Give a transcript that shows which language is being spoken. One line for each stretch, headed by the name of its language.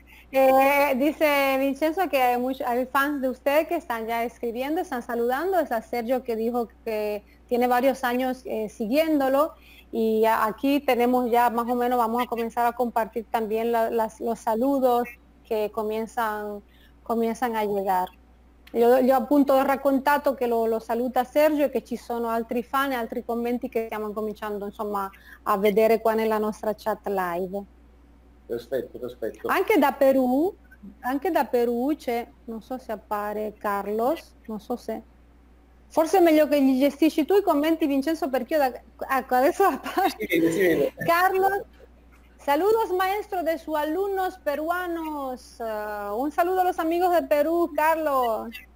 Spanish: Dice Vincenzo que hay fans de usted que están ya escribiendo, están saludando, es a Sergio que dijo que tiene varios años siguiéndolo y aquí tenemos ya más o menos, vamos a comenzar a compartir también los saludos que comienzan a llegar.
Italian: Gli ho appunto raccontato che lo saluta Sergio e che ci sono altri fan e altri commenti che stiamo cominciando, insomma, a vedere qua nella nostra chat live. Perfetto, perfetto. Anche da Perù c'è, non so se appare Carlos, non so se... Forse è meglio che gli gestisci tu i commenti, Vincenzo, perché io da... Ecco, adesso appare. Si vede.
Spanish: Carlos, saludos maestro de su alumnos peruanos. Un saludo a los amigos de Perú, Carlos.